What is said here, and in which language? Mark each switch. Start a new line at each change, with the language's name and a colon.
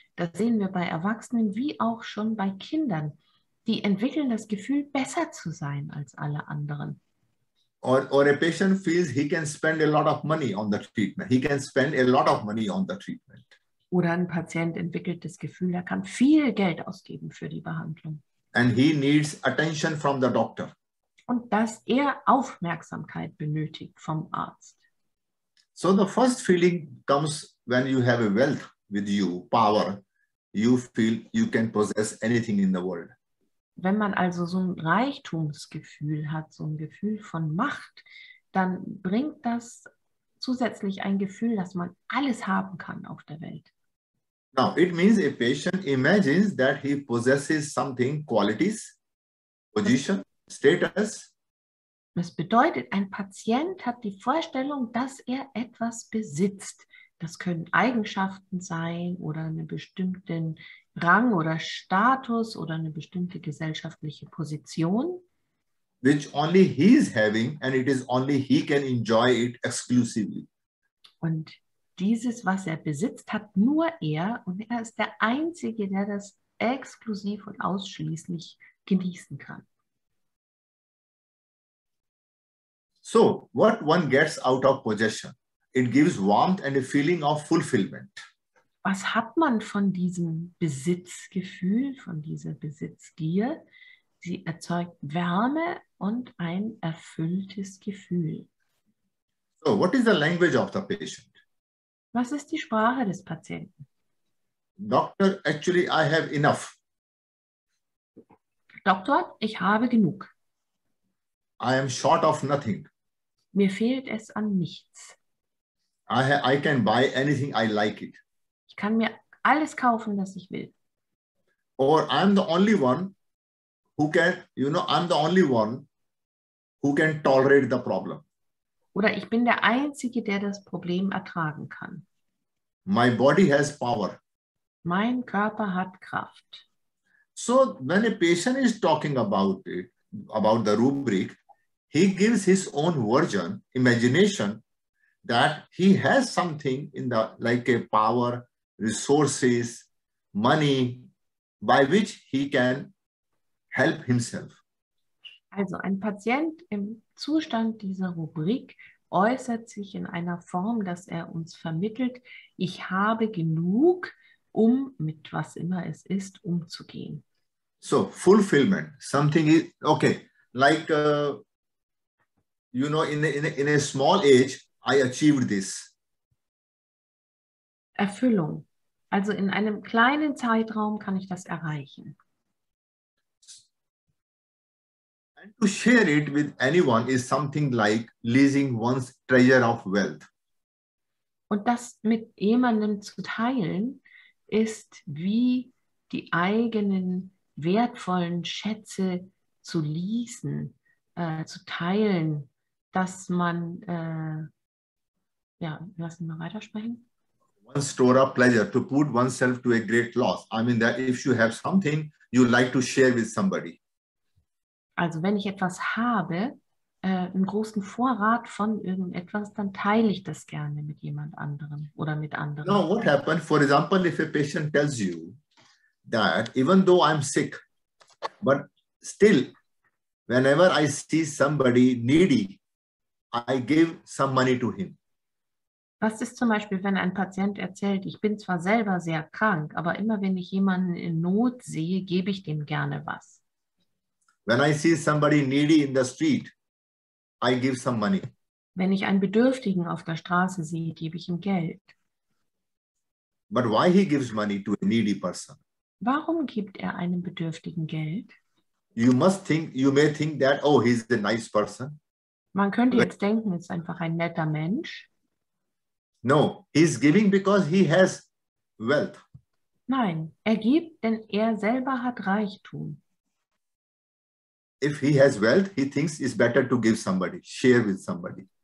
German: Das sehen wir bei Erwachsenen wie auch schon bei Kindern. Die entwickeln das Gefühl, besser zu sein als alle anderen.
English: Or a patient feels he can spend a lot of money on the treatment. He can spend a lot of money on the treatment.
German: Oder ein Patient entwickelt das Gefühl, er kann viel Geld ausgeben für die Behandlung.
English: And he needs attention from the doctor.
German: Und dass er Aufmerksamkeit benötigt vom Arzt.
English: So the first feeling comes when you have a wealth with you, power. You feel you can possess anything in the world.
German: Wenn man also so ein Reichtumsgefühl hat, so ein Gefühl von Macht, dann bringt das zusätzlich ein Gefühl, dass man alles haben kann auf der Welt.
English: Now, it means a patient imagines that he possesses something, qualities, position, status.
German: Das bedeutet, ein Patient hat die Vorstellung, dass er etwas besitzt. Das können Eigenschaften sein oder einen bestimmten Rang oder Status oder eine bestimmte gesellschaftliche Position.
English: Which only he is having and it is only he can enjoy it exclusively.
German: Und dieses, was er besitzt, hat nur er und er ist der Einzige, der das exklusiv und ausschließlich genießen kann.
English: So, what one gets out of possession? It gives warmth and a feeling of fulfillment.
German: Was hat man von diesem Besitzgefühl, von dieser Besitzgier? Sie erzeugt Wärme und ein erfülltes Gefühl.
English: So, what is the language of the patient?
German: Was ist die Sprache des Patienten?
English: Doctor, actually, I have enough.
German: Doktor, ich habe genug.
English: I am short of nothing.
German: Mir fehlt es an nichts.
English: I can buy anything I like it.
German: Ich kann mir alles kaufen, was ich will.
English: Or I'm the only one who can, you know, I'm the only one who can tolerate the problem.
German: Oder ich bin der Einzige, der das Problem ertragen kann.
English: My body has power.
German: Mein Körper hat Kraft.
English: So when a patient is talking about it, about the rubric, he gives his own version, imagination, that he has something in the like a power, resources, money, by which he can help himself.
German: Also ein Patient im Zustand dieser Rubrik äußert sich in einer Form, dass er uns vermittelt, ich habe genug, um mit was immer es ist, umzugehen.
English: So, fulfillment, something is, okay, like, you know, in a small age, I achieved this.
German: Erfüllung. Also in einem kleinen Zeitraum kann ich das erreichen.
English: And to share it with anyone is something like losing one's treasure of wealth.
German: Und das mit jemandem zu teilen, ist wie die eigenen wertvollen Schätze zu leasen, zu teilen, dass man... Ja, lassen wir weitersprechen.
English: One store of pleasure, to put oneself to a great loss. I mean that if you have something, you like to share with somebody.
German: Also wenn ich etwas habe, einen großen Vorrat von irgendetwas, dann teile ich das gerne mit jemand anderem oder mit anderen.
English: No, what happened, for example, if a patient tells you that even though I'm sick, but Still, whenever I see somebody needy, I give some money to him.
German: Was ist zum Beispiel, wenn ein Patient erzählt, ich bin zwar selber sehr krank, aber immer wenn ich jemanden in Not sehe, gebe ich dem gerne was.
English: When I see somebody needy in the street, I give some money.
German: Wenn ich einen Bedürftigen auf der Straße sehe, gebe ich ihm Geld.
English: But why he gives money to a needy person?
German: Warum gibt er einem Bedürftigen Geld?
English: You may think that, oh, he's a nice person.
German: Man könnte jetzt denken, er ist einfach ein netter Mensch.
English: No, he's giving because he has wealth.
German: Nein, er gibt, denn er selber hat Reichtum.
English: If he has wealth, he thinks it's better to give somebody, share with somebody.